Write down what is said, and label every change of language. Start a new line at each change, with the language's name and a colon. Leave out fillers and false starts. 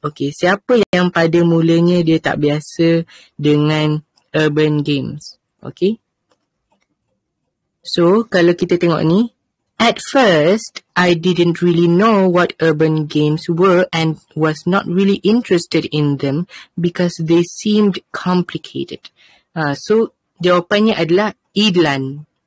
Malay: Okay, siapa yang pada mulanya dia tak biasa dengan Urban Games? Okay.
English: So,
Malay: kalau kita tengok ni,
English: at first, I didn't really know what urban games were and was not really interested in them because they seemed complicated.
Malay: So, jawapannya adalah Idlan.